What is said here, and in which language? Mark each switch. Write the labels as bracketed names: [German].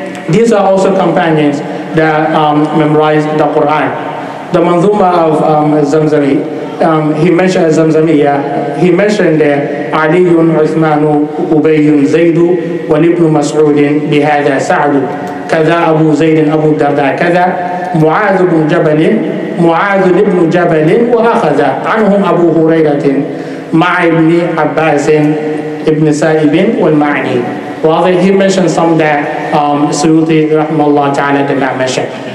[English] These are also companions that memorized the Quran. The Manzuma of Zamzami, he mentioned Zamzamiya, he mentioned Ali, Uthman, Ubay, Zaid, and Ibn Mas'ud, bihada Sa'd, [Arabic] كذا أبو زيد أبو الدرداء كذا معاذ بن جبل معاذ بن جبل وهكذا عنهم أبو هريرة مع ابن عباس ابن سائب والمعني. [English] Well, he mentioned some that Suyuti rahmallahu ta'ala did not mention.